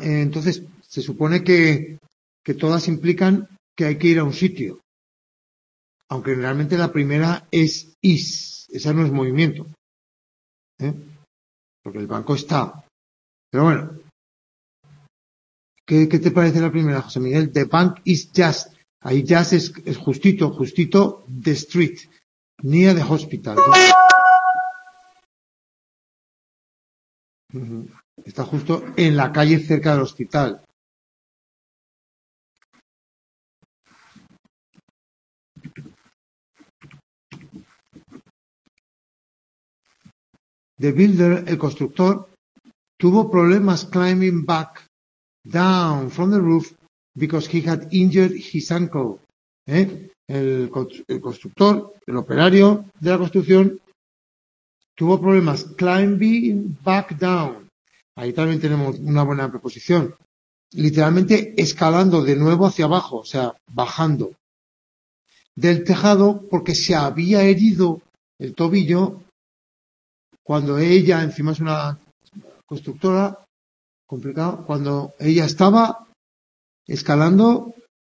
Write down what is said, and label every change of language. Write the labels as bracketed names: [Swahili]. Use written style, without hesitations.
[Spanish] Entonces, se supone que todas implican que hay que ir a un sitio. Aunque realmente la primera es is, esa no es movimiento. Porque el banco está. Pero bueno, ¿qué te parece la primera, José Miguel? [English] The bank is just. [Spanish] Ahí [English] just [Spanish] es justito [English] the street, near the hospital. [Spanish] ¿No? Está justo en la calle cerca del hospital. [English] The builder, [Spanish] el constructor, tuvo problemas [English] climbing back down from the roof because he had injured his ankle. [Spanish] El constructor, el operario de la construcción, tuvo problemas [English] climbing back down. [Spanish] Ahí también tenemos una buena preposición. Literalmente escalando de nuevo hacia abajo, o sea, bajando del tejado porque se había herido el tobillo cuando ella, encima es una constructora, complicado, cuando ella estaba escalando.